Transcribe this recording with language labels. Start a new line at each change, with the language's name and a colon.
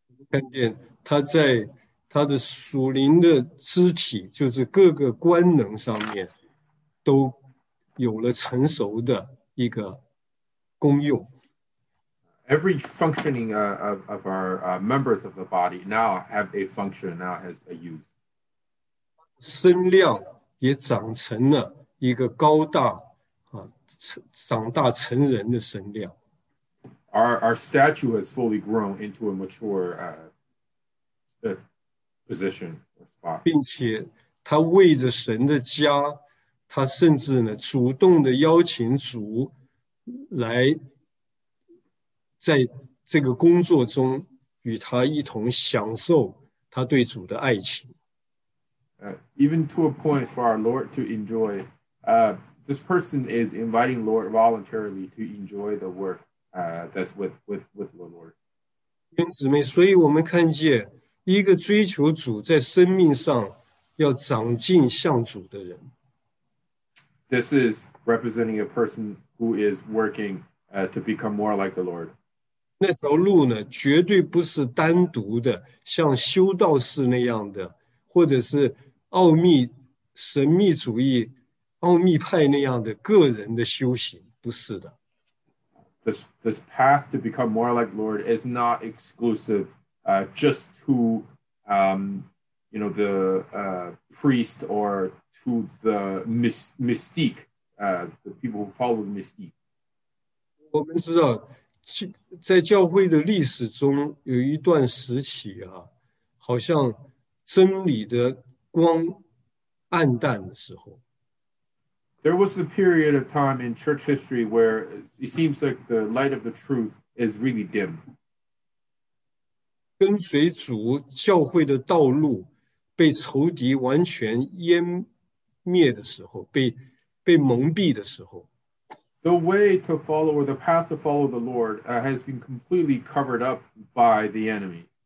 Chinese: 看见他在他的属灵的肢体，就是各个官能上面，都有了成熟的一个功用。
English: Every functioning of our members of the body now have a function, now has a use.
Chinese: 身量也长成了一个高大长大成人的身量。
English: Our statue has fully grown into a mature position or spot.
Chinese: 并且他为着神的家，他甚至呢主动的邀请主来在这个工作中与他一同享受他对主的爱情。
English: Even to a point for our Lord to enjoy, this person is inviting Lord voluntarily to enjoy the work that's with the Lord.
Chinese: 弟兄姊妹，所以我们看见一个追求主在生命上要长进向主的人。
English: this is representing a person who is working to become more like the Lord.
Chinese: 那条路呢，绝对不是单独的，像修道士那样的，或者是奥秘神秘主义奥秘派那样的个人的修行，不是的。
English: This path to become more like the Lord is not exclusive, just to, you know, the priest or to the mystique, the people who follow the mystique.
Chinese: 我们知道，在教会的历史中有一段时期啊，好像真理的光暗淡的时候。
English: There was a period of time in church history where it seems like the light of the truth is really dim.
Chinese: 跟随主教会的道路被仇敌完全湮灭的时候，被蒙蔽的时候。
English: The way to follow or the path to follow the Lord has been completely covered up by the enemy.